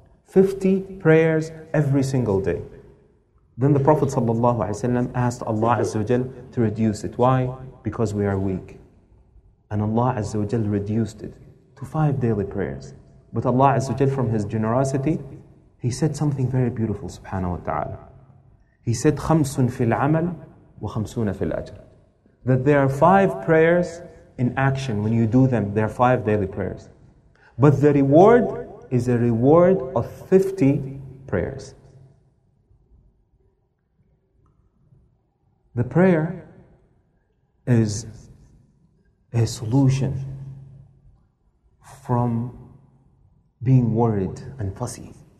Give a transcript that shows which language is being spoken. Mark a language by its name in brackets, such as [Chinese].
[English] 50 prayers every single day. Then the Prophet sallallahu alayhi wasallam asked Allah Azza wa Jal to reduce it. Why? Because we are weak. And Allah Azza wa Jal reduced it to 5 daily prayers. But Allah Azza wa Jal, from His generosity, He said something very beautiful, subhanahu wa ta'ala. He said, [Arabic] خَمْسٌ فِي الْعَمَلِ وَخَمْسُونَ فِي الْأَجْرِ. [English] That there are 5 prayers in action. When you do them, there are 5 daily prayers. But the reward is a reward of 50 prayers. The prayer is a solution from being worried and fussy.